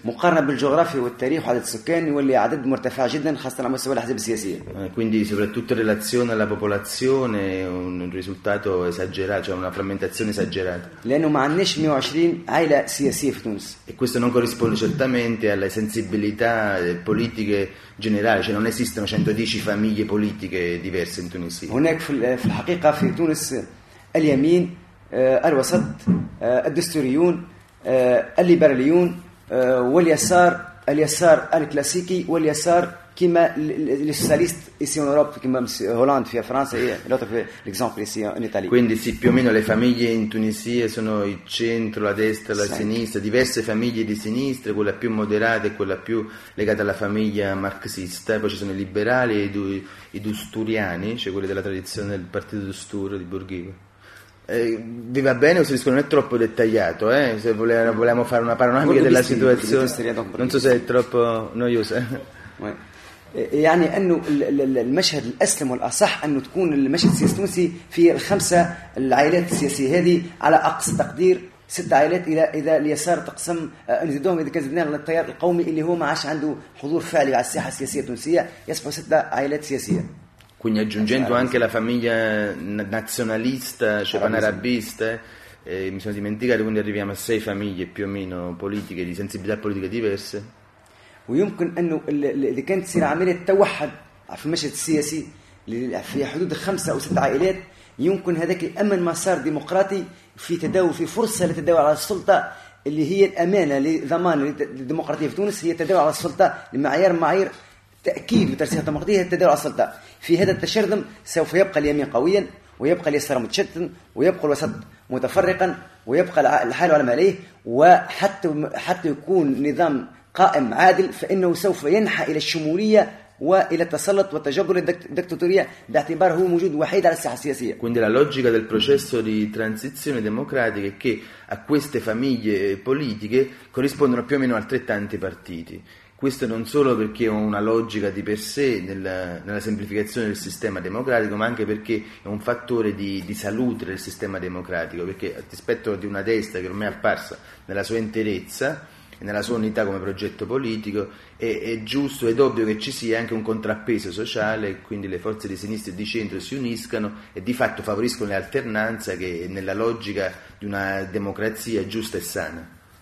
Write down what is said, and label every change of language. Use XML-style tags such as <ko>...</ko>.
<ar>مقارنه بالجغرافيا والتاريخ وعدد السكان واللي عدد مرتفع جدا خاصه على مستوى الاحزاب السياسيه.</ar> <it>Quindi soprattutto in relazione alla popolazione un risultato esagerato, cioè una frammentazione esagerata.</it> <ar>لانه ما عندناش 120 عائله سياسيه في تونس.</ar> <it>E questo non corrisponde certamente alle sensibilità politiche generali, cioè non esistono 110 famiglie politiche diverse in Tunisia.</it> <ar>هناك في الحقيقه في تونس اليمين الوسط الدستوريون الليبراليون واليسار اليسار الكلاسيكي واليسار كيما السوسياليست</ar> <fr>ici en Europe</fr> <ar>كيما هولندا في فرنسا هي لوتر في ليكزامبل</ar> <fr>ici en Italie.</fr> <it>Quindi sì, più o meno le famiglie in Tunisia sono il centro, la destra, la sinistra, diverse famiglie di sinistra, quella più moderata e quella più legata alla famiglia marxista, poi ci sono i liberali e i dusturiani, cioè quelli della tradizione del partito Dustur di Bourguiba. Vi va bene o se non è troppo dettagliato, eh? Se volevamo fare una panoramica della situazione, non so se è troppo noioso.</it> <ar>يعني انه المشهد الاسلم والاصح انه تكون المشهد السياسي التونسي في الخمسه العائلات السياسيه هذه على اقصى تقدير ست عائلات الى اذا اليسار تقسم نزيدوهم اذا كان زدناهم للتيار القومي اللي هو ما عادش عنده حضور فعلي على الساحه السياسيه التونسيه يصبحوا ست عائلات سياسيه. Quindi aggiungendo anche la famiglia nazionalista, cioè panarabista, mi sono dimenticato, quindi arriviamo a sei famiglie più o meno politiche, di sensibilità politica diverse. ويمكن انه اللي كانت تصير عمليه توحد في المشهد السياسي في حدود خمسه او ست عائلات يمكن هذاك يامن مسار ديمقراطي في تداول في فرصه لتداول على السلطه اللي هي الامانه لضمان الديمقراطيه في تونس هي التداول على السلطه لمعايير معايير تاكيد وترسيخ ديمقراطيه التداول على السلطه. في هذا التشرذم سوف يبقى اليمين قويا ويبقى اليسار متشتتا ويبقى الوسط متفرقا ويبقى الحال على ما عليه وحتى يكون نظام قائم عادل فإنه سوف ينحى إلى الشمولية وإلى التسلط والتجبر الدكتاتورية باعتباره هو موجود وحيد على الساحة السياسية.</ar> <it>Quindi la logica del processo di transizione democratica è che a queste famiglie politiche corrispondono più o meno altrettanti partiti. Questo non solo perché è una logica di per sé nella semplificazione del sistema democratico, ma anche perché è un fattore di salute del sistema democratico, perché a dispetto di una destra che ormai è apparsa nella sua interezza e nella sua unità come progetto politico, è giusto ed ovvio che ci sia anche un contrappeso sociale, quindi le forze di sinistra e di centro si uniscano e di fatto favoriscono l'alternanza che è nella logica di una democrazia giusta e sana.</it>